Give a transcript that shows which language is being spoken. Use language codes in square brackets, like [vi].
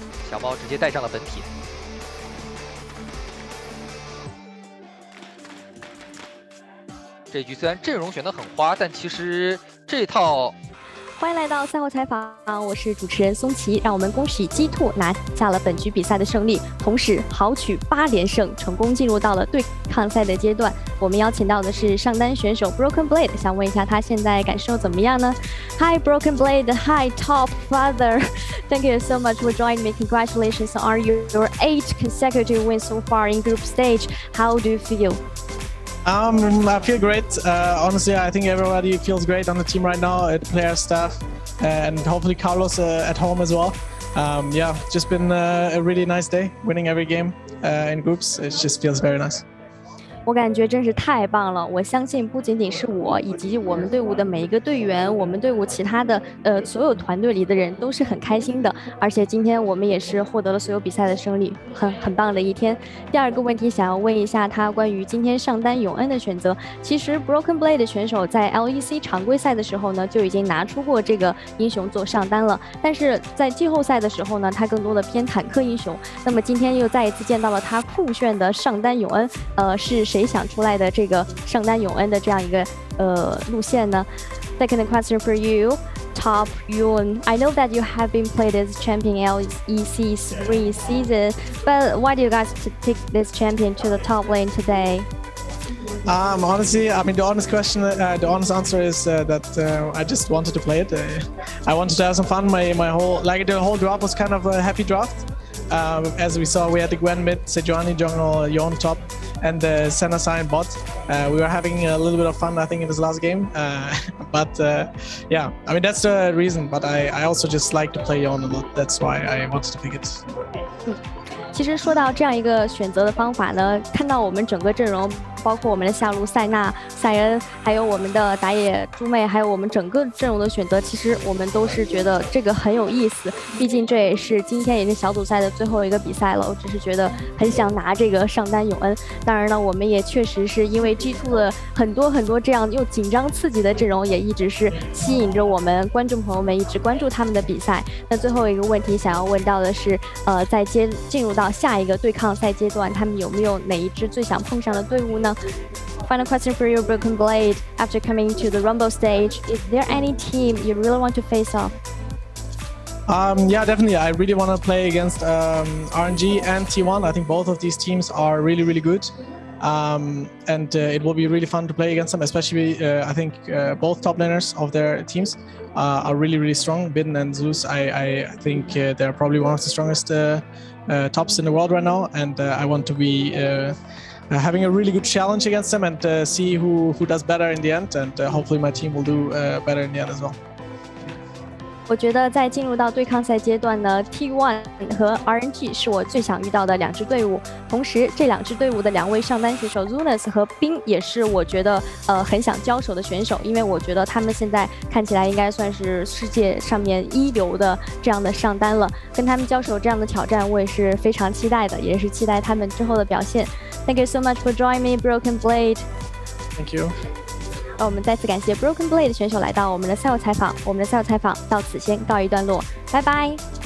[zh] 小猫直接戴上了本体，这局虽然阵容选得很花，但其实这套。欢迎来到赛后采访，我是主持人松琪，让我们恭喜 G2 拿下了本局比赛的胜利，同时豪取8连胜，成功进入到了对抗赛的阶段。我们邀请到的是上单选手 Broken Blade， 想问一下他现在感受怎么样呢？ [en] Hi Broken Blade， Hi Top Father， Thank you so much for joining me. Congratulations on your 8 consecutive wins so far in group stage. How do you feel? I feel great. Honestly, I think everybody feels great on the team right now, at player staff, and hopefully Carlos at home as well. Yeah, just been a really nice day, winning every game in groups. It just feels very nice. [zh] 我感觉真是太棒了，我相信不仅仅是我以及我们队伍的每一个队员，我们队伍其他的所有团队里的人都是很开心的，而且今天我们也是获得了所有比赛的胜利，很棒的一天。第二个问题想要问一下他关于今天上单永恩的选择，其实 Broken Blade 的选手在 LEC 常规赛的时候呢就已经拿出过这个英雄做上单了，但是在季后赛的时候呢他更多的偏坦克英雄，那么今天又再一次见到了他酷炫的上单永恩，是谁想出来的这个上单永恩的这样一个路线呢？ [en] Second question for you, Top Yun. I know that you have been played this champion LEC 3 season, but why do you guys pick this champion to the top lane today? The honest answer is that I just wanted to play it. I wanted to have some fun. The whole draft was kind of a happy draft. As we saw, we had the Gwen mid, Sejuani jungle, Yon top. And the center side bot. We were having a little bit of fun, I think, in this last game. That's the reason. But I also just like to play Yon a lot. That's why I wanted to pick it. [zh] 其实说到这样一个选择的方法呢，看到我们整个阵容，包括我们的下路塞纳、塞恩，还有我们的打野猪妹，还有我们整个阵容的选择，其实我们都是觉得这个很有意思，毕竟这也是今天也是小组赛的最后一个比赛了，我只是觉得很想拿这个上单永恩。当然呢，我们也确实是因为 G2 的很多很多这样又紧张刺激的阵容，也一直是吸引着我们观众朋友们一直关注他们的比赛。那最后一个问题想要问到的是在进入到下一个对抗赛阶段，他们有没有哪一支最想碰上的队伍呢？ [en] Final question for you, Broken Blade. After coming to the Rumble stage, is there any team you really want to face off? Definitely. I really want to play against RNG and T1. I think both of these teams are really, really good. It will be really fun to play against them, especially I think both top laners of their teams are really, really strong. Bin and Zeus, I think they're probably one of the strongesttops in the world right now, and I want to be having a really good challenge against them and see who does better in the end, and hopefully my team will do better in the end as well. [zh] 我觉得在进入到对抗赛阶段呢 T1 和 RNG 是我最想遇到的两支队伍，同时这两支队伍的两位上单选手 Zunus 和冰也是我觉得很想交手的选手，因为我觉得他们现在看起来应该算是世界上面一流的这样的上单了，跟他们交手这样的挑战我也是非常期待的，也是期待他们之后的表现。 [en] Thank you so much for joining me Broken Blade. Thank you. [zh] 让我们再次感谢 Broken Blade 选手来到我们的赛后采访，我们的赛后采访到此先告一段落，拜拜。